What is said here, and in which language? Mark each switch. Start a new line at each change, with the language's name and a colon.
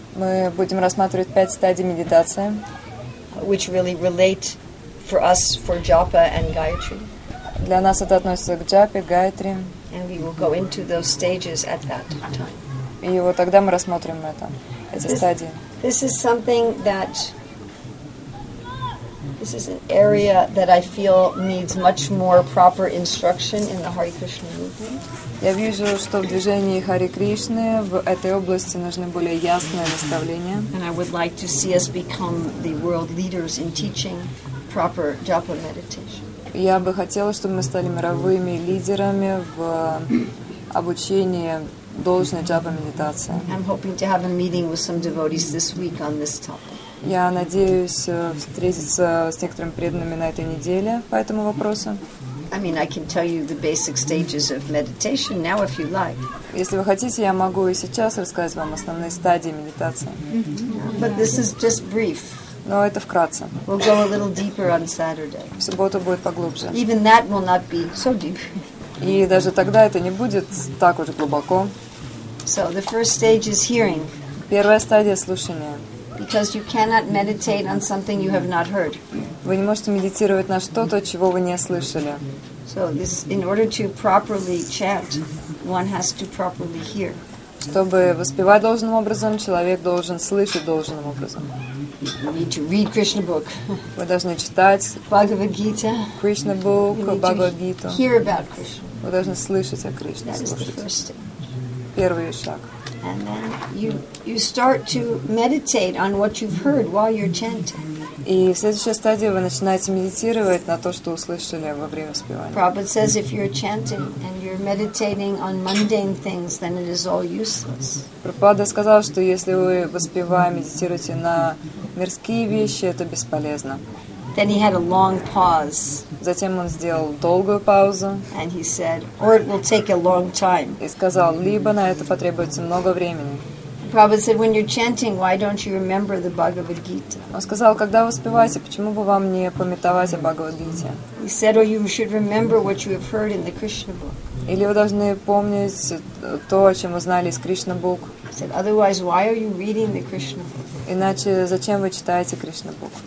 Russian: Мы будем рассматривать пять стадий медитации.
English: Which really relate for us for Japa and Gayatri.
Russian: Для нас это относится к Джапе, Гайатри.
English: And we will go into those stages at that time.
Russian: И вот тогда мы рассмотрим это, эти
English: this,
Russian: стадии.
English: This is something that this is an area that I feel needs much more proper instruction in the Hare Krishna movement.
Russian: Я вижу, что в движении Хари Кришны в этой области нужны более ясные наставления.
English: And I would like to see us become the world leaders in teaching proper japa meditation.
Russian: Я бы хотела, чтобы мы стали мировыми лидерами в обучении должной джапа медитации.
English: I'm hoping to have a meeting with some devotees this week on this topic.
Russian: Я надеюсь встретиться с некоторыми преданными на этой неделе по этому вопросу.
English: I mean, I can tell you the basic stages of meditation now if you like.
Russian: Если вы хотите, я могу и сейчас рассказать вам основные стадии медитации.
English: Mm-hmm. But this is just brief.
Russian: Но это вкратце.
English: We'll go a little deeper on Saturday.
Russian: В субботу будет поглубже.
English: Even that will not be so deep.
Russian: И даже тогда это не будет так уж глубоко.
English: So the first stage is hearing.
Russian: Первая стадия — слушание.
English: Because you cannot meditate on something you have not heard.
Russian: Вы не можете медитировать на что-то, чего вы не слышали.
English: So this, in order to properly chant, one has to properly hear.
Russian: Чтобы воспевать должным образом, человек должен слышать должным образом.
English: You need to read Krishna book.
Russian: Вы должны читать
English: Bhagavad Gita. Krishna book, Bhagavad Gita. Hear about Krishna.
Russian: Вы должны слышать о Кришне.
English: That is the first step.
Russian: Первый шаг.
English: And then you start to meditate on what you've heard while you're chanting.
Russian: И в следующей стадии вы начинаете медитировать на то, что услышали во время воспевания.
English: Prabhupada says if you're chanting and you're meditating on mundane things, then it is all useless.
Russian: Прабхупада сказал, что если вы воспевая медитируете на мирские вещи, это бесполезно.
English: Then he had a long pause.
Russian: Затем он сделал долгую паузу.
English: And he said, or it will take a long time.
Russian: И сказал, либо на это потребуется много времени.
English: Prabhupada said, when you're chanting, why don't you remember the Bhagavad Gita?
Russian: Он сказал, когда вы воспеваете, почему бы вам не памятовать о Бхагавад-гите?
English: He said, or you should remember what you have heard in the Krishna book.
Russian: Или вы должны помнить то, о чем узнали из Кришна-бук.
English: He said, otherwise, why are you reading the Krishna book?
Russian: Иначе зачем вы читаете Кришна-бук?